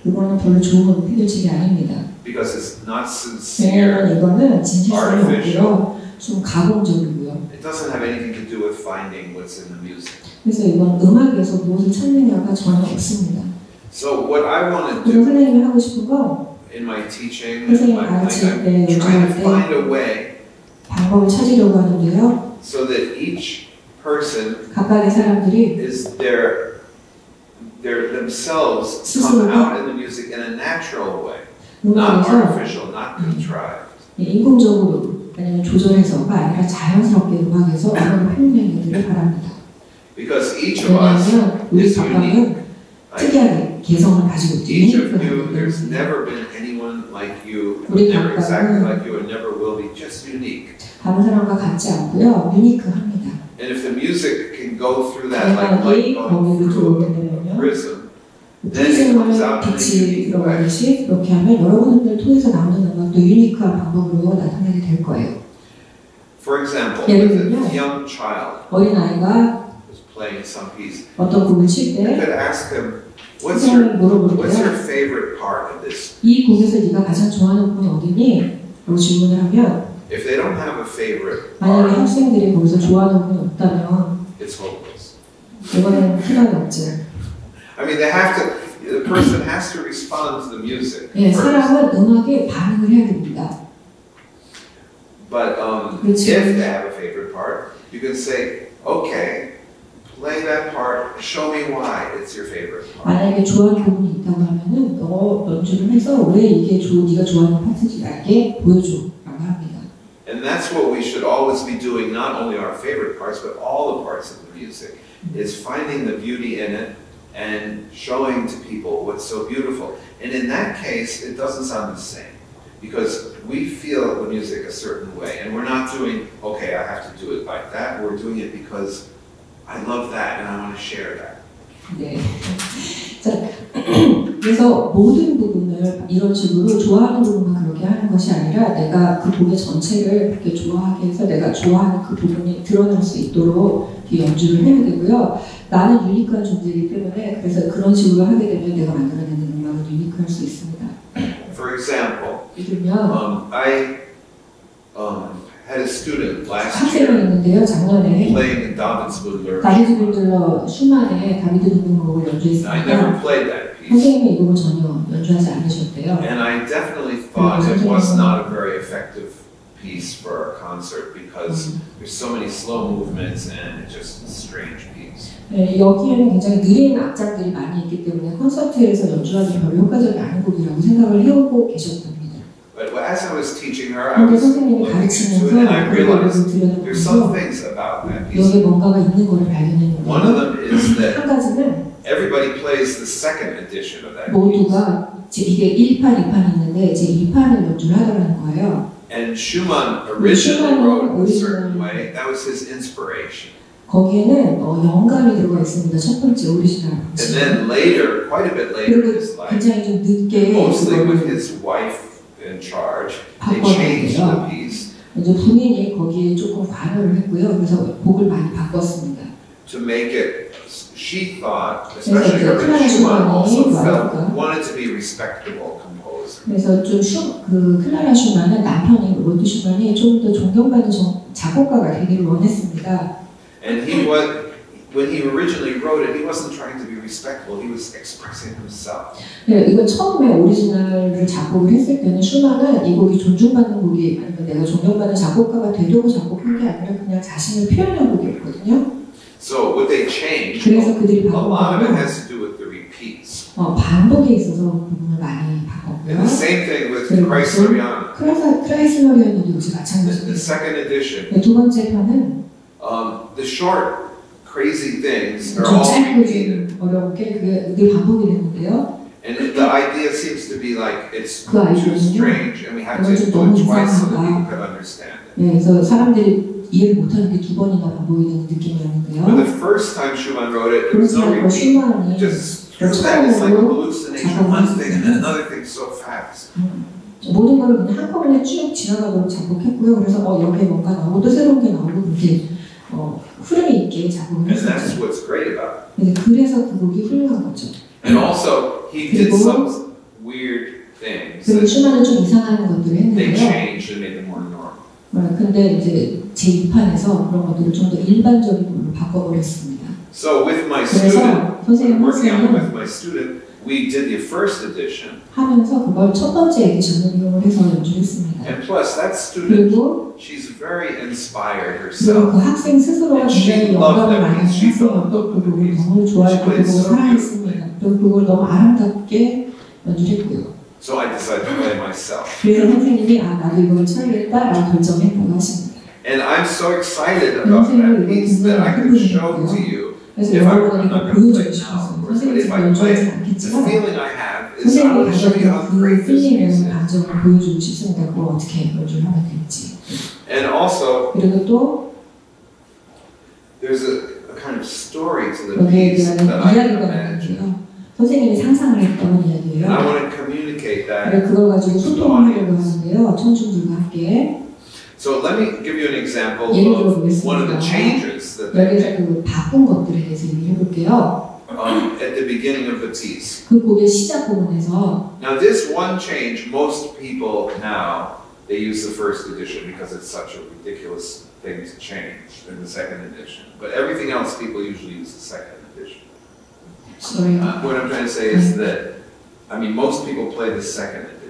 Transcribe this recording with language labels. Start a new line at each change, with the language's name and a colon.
Korean: 이거는 별로 좋은 해결책이 아닙니다.
English: Because it's not sincere.
Korean: 이거는 진실성이 없고요. 좀 가공적이고요.
English: It doesn't have anything to do with finding what's in the music.
Korean: 그래서 이건 음악에서 무엇을 찾느냐가 전혀 없습니다.
English: So what I want to do
Korean: 선생님이 하고 싶은 거
English: in my teaching, trying to find a way
Korean: 방법을 찾으려고 하는데요.
English: So that each person
Korean: 각각의 사람들이
English: is their themselves come out in the music in a natural way, not artificial, not contrived.
Korean: 인공적으로 아니면 조절해서가 아니라 자연스럽게 음악에서 그런 표현되기를 바랍니다.
English: Because each of us is unique.
Korean: 특이하게 개성을 가지고
English: each of you, there's never been anyone like you, never exactly like you, and never will be, just unique.
Korean: 다른 사람과 같지 않고요, 유니크합니다.
English: And if the music can go through that like light going through a prism, then it comes out in a unique way.
Korean: 그렇게 하면 여러분들 통해서 나오는 음악도 유니크한 방법으로 나타나게 될 거예요.
English: For example,
Korean: 예를 들면,
English: with a young child,
Korean: 어린 아이가
English: playing some piece, you could ask him, what's your favorite part of this?
Korean: 이 곡에서 네가 가장 좋아하는 부분 어디니? 라고 질문을 하면,
English: if they don't have a favorite part,
Korean: 만약에 학생들이 거기서 좋아하는 부분이 없다면,
English: it's hopeless.
Korean: 그거는 희망이 없지.
English: I mean, they have to, the person has to respond to the music.
Korean: 예, 사람은 음악에 반응을 해야 됩니다.
English: But if they have a favorite part, you can say, okay, play that part. Show me why it's your favorite part.
Korean: 만약에 좋아하는 부분이 있다고 하면은 너 연주를 해서 왜 이게 네가 좋아하는 파트지 나에게 보여줘라고 합니다.
English: And that's what we should always be doing, not only our favorite parts, but all the parts of the music, is finding the beauty in it and showing to people what's so beautiful. And in that case, it doesn't sound the same, because we feel the music a certain way, and we're not doing, okay, I have to do it like that. We're doing it because I love that, and I want to share that.
Korean: 네. 자, 그래서 모든 부분을 이런 식으로 좋아하는 부분만 그렇게 하는 것이 아니라 내가 그 곡의 전체를 그렇게 좋아하게 해서 내가 좋아하는 그 부분이 드러날 수 있도록 연주를 해야 되고요. 나는 유니크한 존재이기 때문에 그래서 그런 식으로 하게 되면 내가 만들어내는 음악은 유니크할 수 있습니다.
English: For example,
Korean: 예를 들면,
English: had a student last year
Korean: 학생이었는데요, 작년에
English: playing in Davidsmuller.
Korean: 다비드 문들러 슈만의 다비드 등등곡을 연주했습니다.
English: I never played that piece.
Korean: 선생님이 이거 전혀 연주하지 않으셨대요.
English: And I definitely thought it was not a very effective piece for a concert because there's so many slow movements and just strange beats.
Korean: 네, 여기에는 굉장히 느린 악장들이 많이 있기 때문에 콘서트에서 연주하기 별로 효과적이 아닌 곡이라고 생각을 해오고 계셨던.
English: But as I was teaching her, I was listening to it, and I realized there's some things about that piece. One of them is that everybody plays the second edition of that piece. And Schumann originally wrote it in a certain way. That was his inspiration.
Korean: 거기에는 영감이 들어가 있습니다. 첫 번째 오리지널.
English: And then later, quite a bit later, his life, mostly with his wife, in charge, they changed the piece.
Korean: 부인이 거기에 조금 반응을 했고요. 그래서 곡을 많이 바꿨습니다.
English: to make it, she thought, especially
Korean: 네, 네,
English: her Schumann also felt, wanted to be a respectable composer.
Korean: 그래서 좀 슈, 그 클라라 슈만은 남편인 로드 슈만이 좀 더 존경받은 저, 작곡가가 되기를 원했습니다.
English: And he was, when he originally wrote it, he wasn't trying to be respectful, he was expressing himself.
Korean: 네, 이거 처음에 오리지널을 작곡을 했을 때는 슈만은 이 곡이 존중받는 곡이 아니면 내가 존경받는 작곡가가 되려고 작곡한 게 아니라 그냥 자신을 표현한 곡이었거든요.
English: So what they changed,
Korean: 그래서 그들이
English: a lot of it has to do with the repeats.
Korean: 어, 반복에 있어서 부분을 많이 바꿨고요.
English: And the same thing with Chrysleriana.
Korean: Chrysleriana도 역시 마찬가지입니다.
English: The second edition.
Korean: 네, 두 번째 편은
English: The short crazy things are all repeated.
Korean: 어렵게 늘 반복이 되는데요.
English: And the idea seems to be like it's too strange, and we have to do it twice so that people can understand it.
Korean: 네, 그래서 사람들이 이해를 못하는 게 두 번이나 반복이는 느낌이었는데요.
English: But the first time Schumann wrote it, it was no repeat.
Korean: 슈만이
English: just it's like a hallucination, one thing and then another thing so fast.
Korean: 모든 걸 그냥 한꺼번에 쭉 지나가도록 작곡했고요. 그래서 어, 여기에 뭔가 나오고 또 새로운 게 나오고 이렇게 어, 흐름이 있게 작곡을 했죠.
English: And that's what's great about it.
Korean: 그래서 그 곡이 훌륭한 거죠.
English: And also, he did some weird things.
Korean: 그리고 슈만은 좀 이상한 것들을 했는데요.
English: They changed and made them more normal.
Korean: 근데 이제 제 입판에서 그런 것들을 좀 더 일반적인 걸로 바꿔버렸습니다.
English: So with my student, working on with my student, we did the first edition.
Korean: 하면서 그걸 첫 번째 전용으로 해서 연주했습니다.
English: And plus that student, she's very inspired herself.
Korean: 그 학생 스스로가 굉장히 영감을 많이 했어요. 또 그 곡이 너무 좋아했고 그 곡을 사랑했습니다. 또 그걸 너무 아름답게 연주했고요.
English: So I decided to play myself.
Korean: 그래서 선생님이 아 나도 이걸 쳐야겠다라고 결정했다고 하십니다.
English: And I'm so excited about that piece that I can show to you. If I were not going to play now, of course, but if I play, the feeling I have is I want to show you how great this piece is. And also, there's a kind of story to the piece that I can imagine.
Korean: 선생님이 상상을 했던 이야기예요.
English: I want to communicate that.
Korean: 그래, 그걸 가지고 소통을 하려고 하는데요. 청중들과 함께.
English: So let me give you an example of
Korean: 들어보겠습니다.
English: One of the changes that they made.
Korean: 그 바꾼 것들에 대해서 얘기해 볼게요.
English: At the beginning of the piece.
Korean: 그 곡의 시작 부분에서.
English: Now this one change, most people now, they use the first edition because it's such a ridiculous thing to change in the second edition. But everything else, people usually use the second edition. Sorry. What I'm trying to say is that, I mean, most people play the second edition.